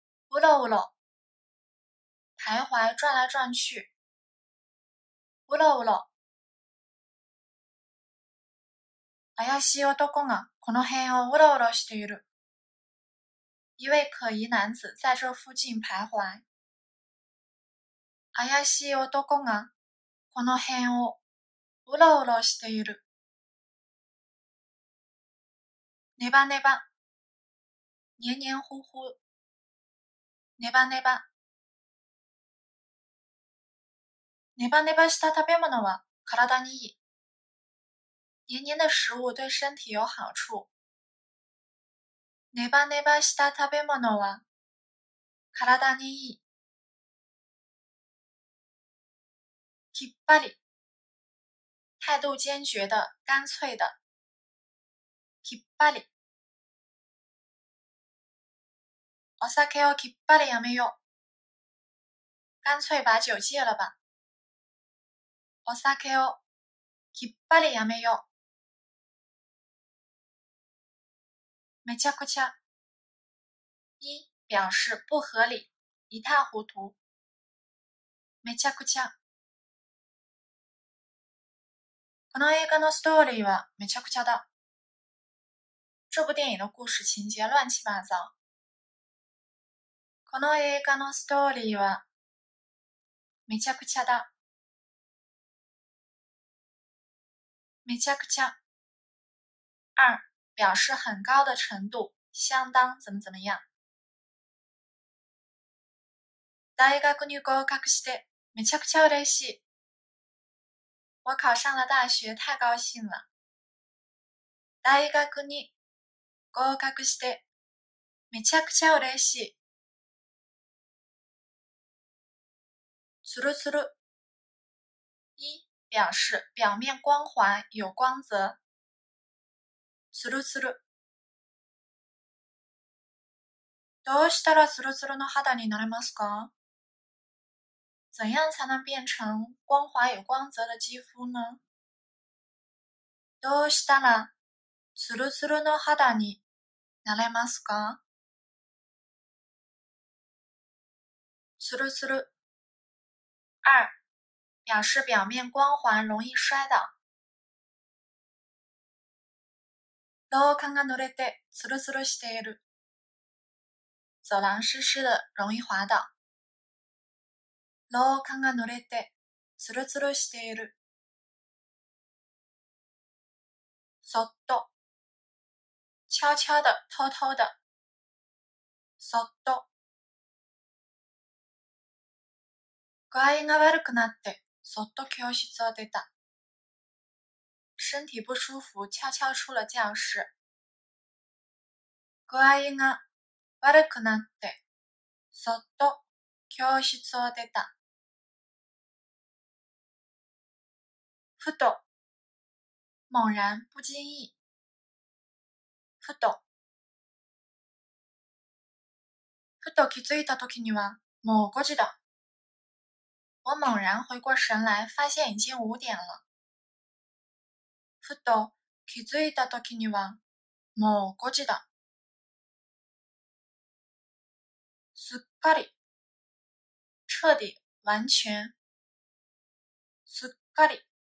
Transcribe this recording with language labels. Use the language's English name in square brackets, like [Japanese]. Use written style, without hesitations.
[Chinese] うろうろ、徘徊转来转去。うろうろ。 [Japanese] 怪しい男がこの辺をうろうろしている。 [Chinese] 一位可疑男子在这附近徘徊。 [Japanese] 怪しい男がこの辺をうろうろしている。 [Chinese] ネバネバ、黏黏糊糊。ネバネバ。 [Japanese] ネバネバした食べ物は体にいい。 [Chinese] 黏黏的食物对身体有好处。 [Japanese] ネバネバした食べ物は体にいい。 [Chinese] きっぱり。態度坚决的、干脆的。きっぱり。 [Japanese] お酒をきっぱりやめよう。 [Chinese] 干脆把酒戒了吧。 [Japanese] お酒をきっぱりやめよう。めちゃくちゃ。 [Chinese] 一、表示不合理、一塌糊涂。 [Japanese] めちゃくちゃ。この映画のストーリーはめちゃくちゃだ。 [Chinese] 这部电影的故事情节乱七八糟。 [Japanese] この映画のストーリーはめちゃくちゃだ。めちゃくちゃ。 [Chinese] 二、表示很高的程度、相当怎么怎么样。 [Japanese] 大学に合格してめちゃくちゃ嬉しい。 [Chinese] 我考上了大学太高兴了。 [Japanese] 大学に合格してめちゃくちゃ嬉しい。つるつる。 [Chinese] 一、表示表面光滑有光泽。 [Japanese] つるつる。どうしたらつるつるの肌になれますか？ [Chinese] 怎样才能变成光滑有光泽的肌肤呢？ [Japanese] どうしたらつるつるの肌になれますか？つるつる。 [Chinese] 二、表示表面光滑容易摔倒。 [Japanese] 廊下が濡れてツルツルしている。 [Chinese] 走廊湿湿的容易滑倒。 [Japanese] 廊下が濡れてツルツルしている。 [Chinese] そっと、悄悄的、偷偷的。そっと。 [Japanese] 具合が悪くなって、そっと教室を出た。 [Chinese] 身体不舒服、悄悄出了教室。 [Japanese] 具合が悪くなって、そっと教室を出た。ふと、 [Chinese] 猛然、不经意。 [Japanese] ふと、ふと気づいた時には、もう5時だ。 [Chinese] 我猛然回过神来，发现已经五点了。 [Japanese] ふと気づいた時には、もう五時だ。 [Chinese] すっかり、彻底、完全。すっかり。